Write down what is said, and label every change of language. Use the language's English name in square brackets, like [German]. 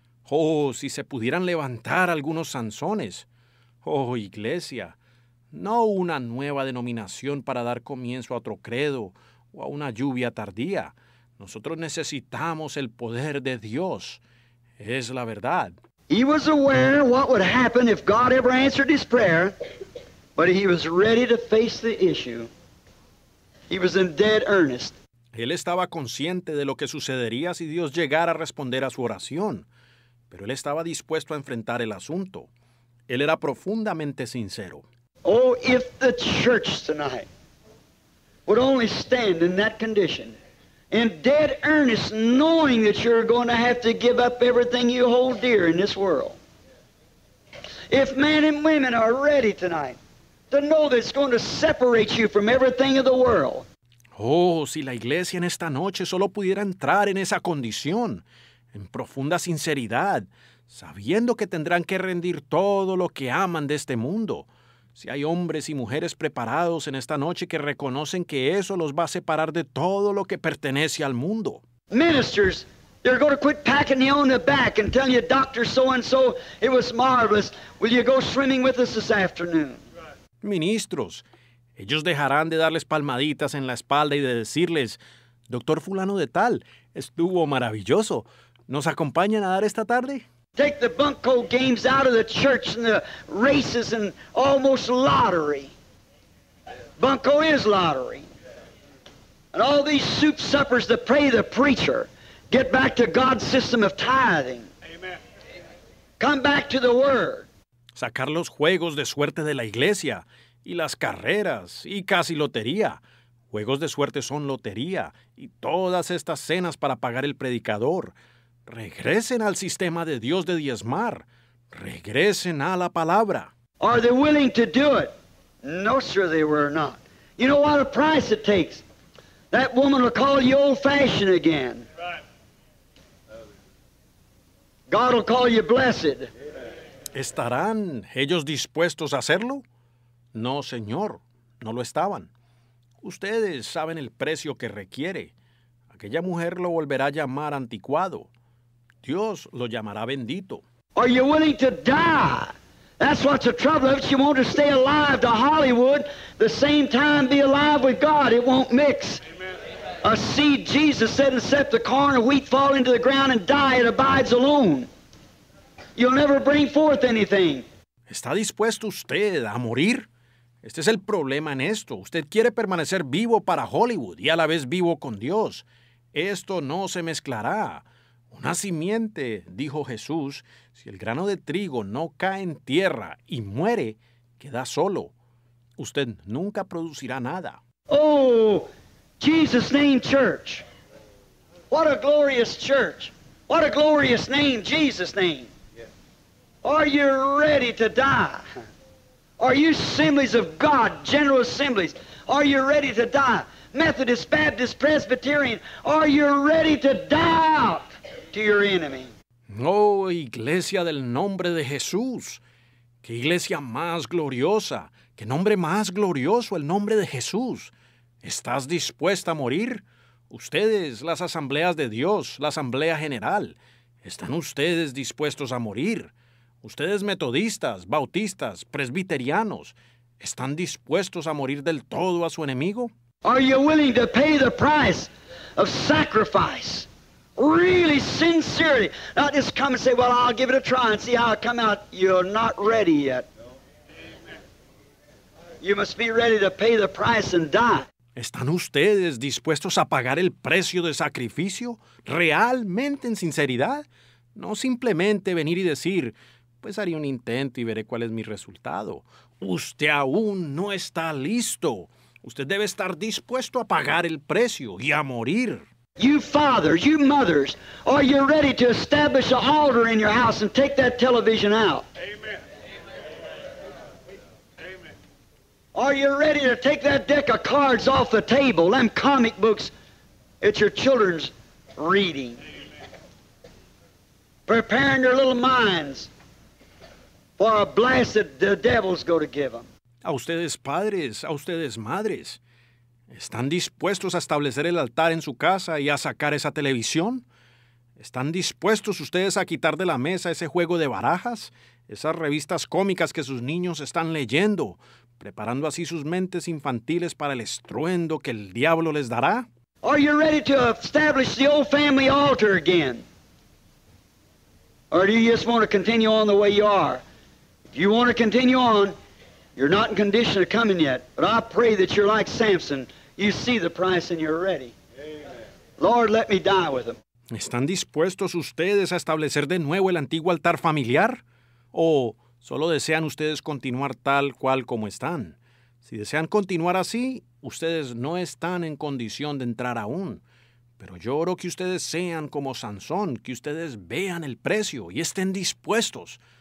[Spanish] Oh, si se pudieran levantar algunos Sansones. Oh, iglesia, no una nueva denominación para dar comienzo a otro credo o a una lluvia tardía. Nosotros necesitamos el poder de Dios. Es la verdad. [English] He was aware what would happen if God ever answered his prayer, but he was ready to face the issue. He was in dead earnest. [Spanish] Él estaba consciente de lo que sucedería si Dios llegara a responder a su oración. Pero él estaba dispuesto a enfrentar el asunto. Él era profundamente sincero. [English] Oh, if the church tonight would only stand in that condition, in dead earnest, knowing that you're going to have to give up everything you hold dear in this world. If men and women are ready tonight to know that it's going to separate you from everything of the world. [Spanish] Oh, si la iglesia en esta noche solo pudiera entrar en esa condición, en profunda sinceridad, sabiendo que tendrán que rendir todo lo que aman de este mundo. Si hay hombres y mujeres preparados en esta noche que reconocen que eso los va a separar de todo lo que pertenece al mundo. [English] Ministers, they're going to quit packing you on the back and tell you, Dr. So-and-so, it was marvelous. Will you go swimming with us this afternoon? [Spanish] Ministros, ellos dejarán de darles palmaditas en la espalda y de decirles, Doctor Fulano de Tal, estuvo maravilloso. ¿Nos acompaña a nadar esta tarde? [English] Take the bunco games out of the church and the races and almost lottery. Bunco is lottery. And all these soup suppers that pray the preacher, get back to God's system of tithing. Amen. Come back to the Word. [Spanish] Sacar los juegos de suerte de la iglesia, y las carreras, y casi lotería. Juegos de suerte son lotería, y todas estas cenas para pagar el predicador. Regresen al sistema de Dios de diezmar. Regresen a la palabra. [English] Are they willing to do it? No, sir, they were not. You know what a price it takes? That woman will call you old-fashioned again. God will call you blessed. [Spanish] ¿Estarán ellos dispuestos a hacerlo? No, señor, no lo estaban. Ustedes saben el precio que requiere. Aquella mujer lo volverá a llamar anticuado. Dios lo llamará bendito. [English] Are you willing to die? That's what's the trouble. If you want to stay alive to Hollywood, the same time be alive with God, it won't mix. Amen. A seed, Jesus said, except the corn of wheat fall into the ground and die, it abides alone. You'll never bring forth anything. [Spanish] ¿Está dispuesto usted a morir? Este es el problema en esto. Usted quiere permanecer vivo para Hollywood y a la vez vivo con Dios. Esto no se mezclará. Una simiente, dijo Jesús, si el grano de trigo no cae en tierra y muere, queda solo. Usted nunca producirá nada. [English] Oh, Jesus' name church. What a glorious church. What a glorious name, Jesus' name. Are you ready to die? Are you assemblies of God, general assemblies? Are you ready to die? Methodist, Baptist, Presbyterian, are you ready to die out to your enemy? [Spanish] Oh, iglesia del nombre de Jesús. Qué iglesia más gloriosa. Qué nombre más glorioso el nombre de Jesús. ¿Estás dispuesta a morir? Ustedes, las asambleas de Dios, la asamblea general, ¿están ustedes dispuestos a morir? Ustedes, metodistas, bautistas, presbiterianos, ¿están dispuestos a morir del todo a su enemigo? [English] Are you willing to pay the price of sacrifice? Really, sincerely. Not just come and say, well, I'll give it a try and see how it come out. You're not ready yet. You must be ready to pay the price and die. [Spanish] ¿Están ustedes dispuestos a pagar el precio de sacrificio? ¿Realmente en sinceridad? No simplemente venir y decir, pues haré un intento y veré cuál es mi resultado. Usted aún no está listo. Usted debe estar dispuesto a pagar el precio y a morir. [English] You fathers, you mothers, are you ready to establish an altar in your house and take that television out? Amen. Amen. Are you ready to take that deck of cards off the table, them comic books at your children's reading? Amen. Preparing their little minds. For a blessed the devil's going to give them. [Spanish] A ustedes padres, a ustedes madres, ¿están dispuestos a establecer el altar en su casa y a sacar esa televisión? ¿Están dispuestos ustedes a quitar de la mesa ese juego de barajas? Esas revistas cómicas que sus niños están leyendo, preparando así sus mentes infantiles para el estruendo que el diablo les dará? [English] Are you ready to establish the old family altar again? Or do you just want to continue on the way you are? If you want to continue on, you're not in condition of coming yet. But I pray that you're like Samson. You see the price and you're ready. Amen. Lord, let me die with him. [Spanish] ¿Están dispuestos ustedes a establecer de nuevo el antiguo altar familiar? ¿O solo desean ustedes continuar tal cual como están? Si desean continuar así, ustedes no están en condición de entrar aún. Pero yo oro que ustedes sean como Sansón, que ustedes vean el precio y estén dispuestos.